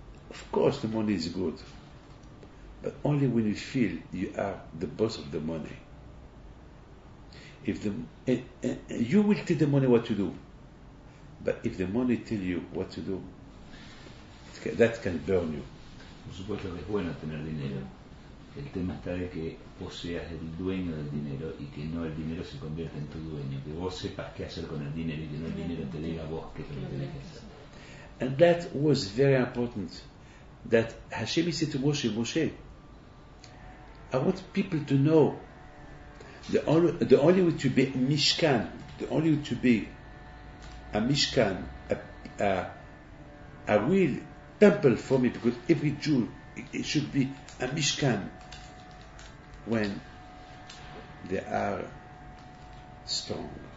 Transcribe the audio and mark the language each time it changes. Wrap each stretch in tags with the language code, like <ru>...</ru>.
<en>Of course, the money is good. But only when you feel you are the boss of the money. If you will tell the money what to do. But if the money tell you what to do, that can burn you.</en> <es>Por supuesto que es bueno tener dinero. El tema está de que vos seas el dueño del dinero y que no el dinero se convierta en tu dueño. Que vos sepas qué hacer con el dinero y que no el dinero te diga vos qué es lo que tenés que hacer.</es> <en>And that was very important. That Hashem said to Moshe, Moshe, I want people to know the only way to be Mishkan, the only way to be a Mishkan, a real temple for me, because every Jew it should be a Mishkan when they are strong,</en>